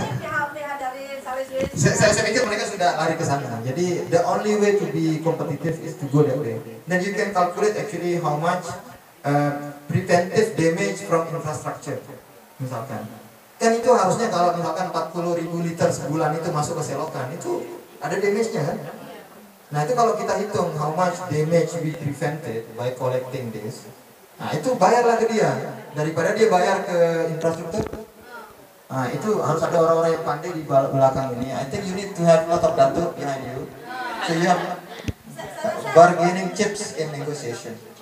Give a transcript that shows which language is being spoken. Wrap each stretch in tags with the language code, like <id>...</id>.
<id>PHP dari saya pikir mereka sudah lari ke sana. Jadi</id> <en>the only way to be competitive is to go that way. Then you can calculate actually how much preventive damage from infrastructure.</en> <id>Misalkan kan itu harusnya kalau misalkan 40 ribu liter sebulan itu masuk ke selokan itu ada damage-nya. Nah itu kalau kita hitung</id> <en>how much damage we prevented by collecting this.</en> <id>Nah itu bayarlah ke dia, daripada dia bayar ke infrastruktur. Nah itu harus ada orang-orang yang pandai di belakang ini.</id> <en>I think you need to have lot of data behind you. So you have bargaining chips in negotiation.</en>